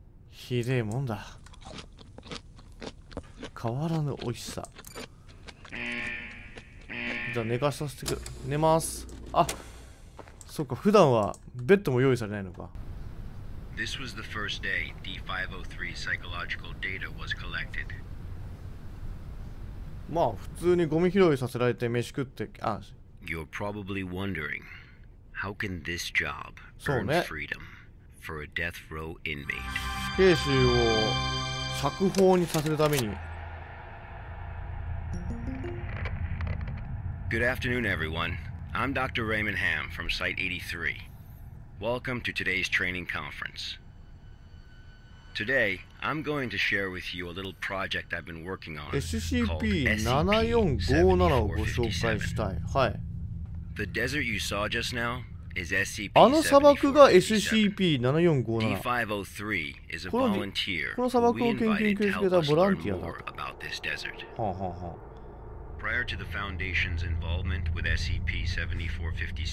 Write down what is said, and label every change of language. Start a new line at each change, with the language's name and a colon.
Japanese: ひでえもんだ。変わらぬ美味しさ。じゃあ寝かさせてく、寝ます。あ、そっか、普段はベッドも用意されないのか。
English: This was the first day D503 psychological data was collected.
Japanese: まあ普通にゴミ拾いさせられて飯食って、あ、
English: You're probably wondering, how can this job earn freedom for a death row inmate?
Japanese: 死刑囚を釈放にさせるために。
English: Good afternoon, everyone. I'm Dr. Raymond Hamm from Site 83. Welcome to today's training conference. Today, I'm going to share with you a little project I've been working on SCP-745757. The desert you saw just now is SCP-745757.
Japanese: あの砂漠が SCP-745757。この砂漠を研究に研究してたボランティアだと。はあはあ。
English: Prior to the Foundation's involvement with SCP-7457,